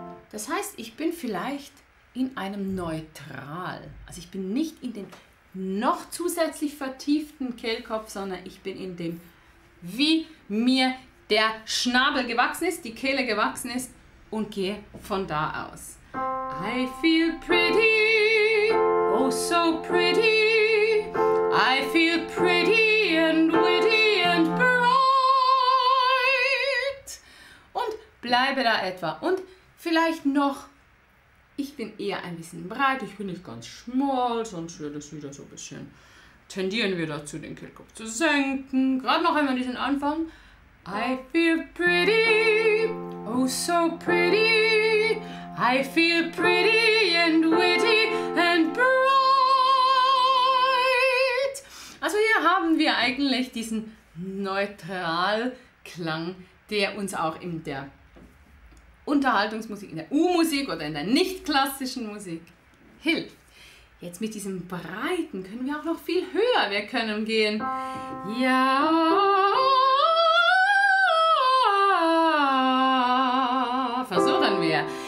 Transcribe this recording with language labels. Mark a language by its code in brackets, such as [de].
[de] Das heißt, ich bin vielleicht in einem Neutral. Also ich bin nicht in dem noch zusätzlich vertieften Kehlkopf, sondern ich bin in dem, wie mir der Schnabel gewachsen ist, die Kehle gewachsen ist und gehe von da aus. [en] I feel pretty, oh so pretty. I feel pretty and witty and bright. [de] Und bleibe da etwa. Und vielleicht noch, ich bin eher ein bisschen breit, ich bin nicht ganz schmal, sonst wird es wieder so ein bisschen, tendieren wir dazu, den Kehlkopf zu senken. Gerade noch einmal diesen Anfang. I feel pretty, oh so pretty. I feel pretty and witty and bright. Also hier haben wir eigentlich diesen Neutralklang, der uns auch in der Unterhaltungsmusik, in der U-Musik oder in der nicht-klassischen Musik hilft. Jetzt mit diesem Breiten können wir auch noch viel höher. Wir können gehen. Ja. Versuchen wir.